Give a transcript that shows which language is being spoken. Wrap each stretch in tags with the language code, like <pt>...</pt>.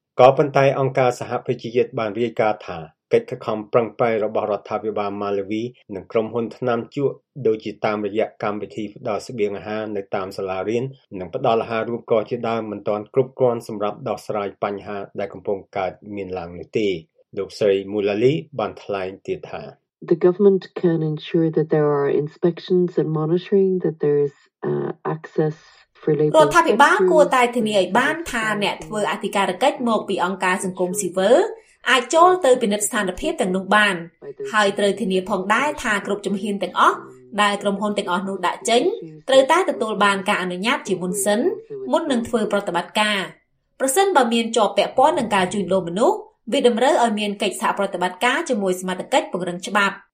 <km>ក៏ប៉ុន្តែអង្គការសហភាពជាតិបានរាយការណ៍ថាកិច្ចខិតខំប្រឹងប្រែងរបស់រដ្ឋាភិបាលម៉ាឡាវីនិងក្រុមហ៊ុនថ្នាំជក់ដូចជាតាមរយៈកម្មវិធីផ្តល់ស្បៀងអាហារនៅតាមសាលារៀននិងផ្តល់អាហាររូបករណ៍ជាដើមមិនទាន់គ្រប់គ្រាន់សម្រាប់ដោះស្រាយបញ្ហាដែលកំពុងកើតមានឡើងនេះទេលោកស្រីមូឡាលីបានថ្លែងទៀតថា</km> <en>The government can ensure that there are inspections and monitoring that there is access</en> <km>រដ្ឋាភិបាលគួរតែធានាឲ្យបានថាអ្នកធ្វើអធិការកិច្ចមកពីអង្គការសង្គមស៊ីវិលអាចចូលទៅពិនិត្យស្ថានភាពទាំងនោះបានហើយត្រូវធានាផងដែរថាគ្រប់ជំហានទាំងអស់ដែលក្រុមហ៊ុនទាំងអស់នោះដាក់ចេញត្រូវតែទទួលបានការអនុញ្ញាតជាមុនសិនមុននឹងធ្វើប្រតិបត្តិការប្រសិនបើមានជាប់ពាក់ព័ន្ធនឹងការជួញដូរមនុស្សវាតម្រូវឲ្យមានកិច្ចសហប្រតិបត្តិការជាមួយសមត្ថកិច្ចពង្រឹងច្បាប់</km>